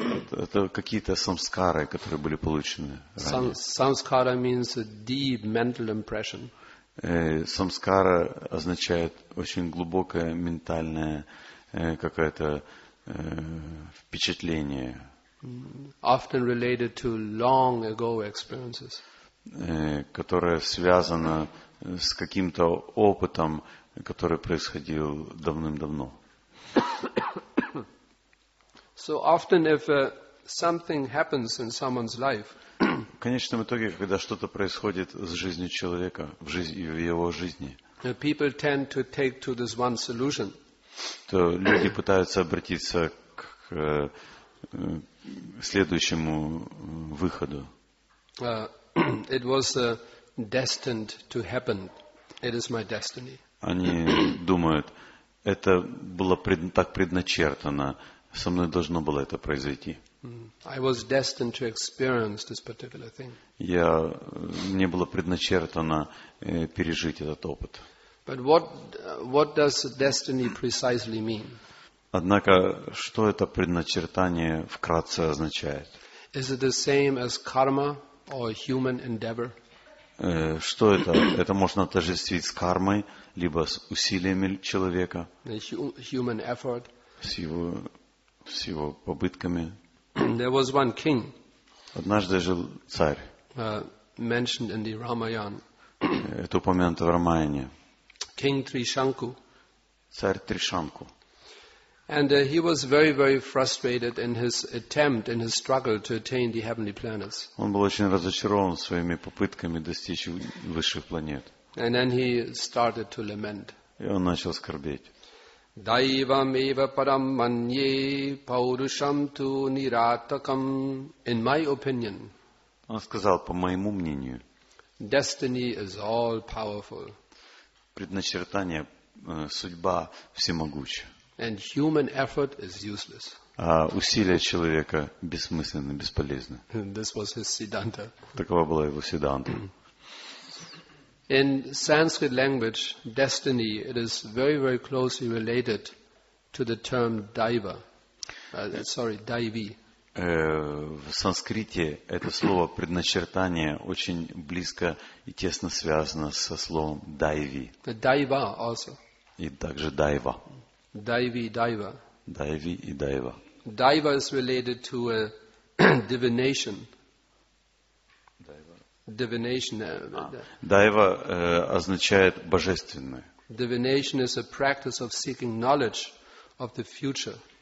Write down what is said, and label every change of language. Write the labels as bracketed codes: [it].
[ru] Это какие-то самскары, которые были получены ранее. [en] Самскара means a deep mental impression. [ru] Самскара означает очень глубокое ментальное какое-то впечатление. [en] Often related to long ago experiences. [ru] Которое связано с каким-то опытом, который происходил давным-давно. [en] So often if something happens in someone's life, [ru] в конечном итоге, когда что-то происходит с жизнью человека, в жизни, в его жизни, [en] people tend to take to this one solution. [ru] То люди пытаются обратиться к следующему выходу. [en] It was destined to happen. It is my destiny. [ru] Они думают, это было так предначертано. Со мной должно было это произойти. [en] I was destined to experience this particular thing. [ru] Мне было предначертано пережить этот опыт. [en] But what does destiny precisely mean? [ru] Однако, что это предначертание вкратце означает? [en] Is it the same as karma or human endeavor? [ru] Что это? Это можно отождествить с кармой, либо с усилиями человека. [en] The human effort. [ru] С его попытками. [en] There was one king. [ru] Однажды жил царь. [en] Mentioned in the Ramayana. [ru] Это упомянуто в Рамаяне. [en] King Trishanku. [ru] Царь Тришанку. [en] And he was very, very frustrated in his attempt, in his struggle to attain the heavenly planets. [ru] Он был очень разочарован своими попытками достичь высших планет. [en] And then he started to lament. [ru] И он начал скорбеть. [sa] Daivam eva param manye paurusham tu niratakam. [en] In my opinion. [ru] Он сказал, по моему мнению. [en] Destiny is all powerful. [ru] Предначертание, судьба всемогуща. [en] And human effort is useless. [ru] А усилия человека бессмысленны, бесполезны. [en] This was his Siddhanta. [ru] Такова была его Siddhanta. [en] In Sanskrit language, destiny, it is very, very closely related to the term daiva. [sa] Daivi. [ru] В санскрите это слово предначертание очень близко и тесно связано со словом daivi. [en] Daiva also. [ru] И также daiva. [sa] Daivi, daiva. [ru] Daivi и daiva. [en] Daiva is related to a divination. Divination. [ru] Дайва означает божественное. [en] Divination is a practice of seeking knowledge of the future.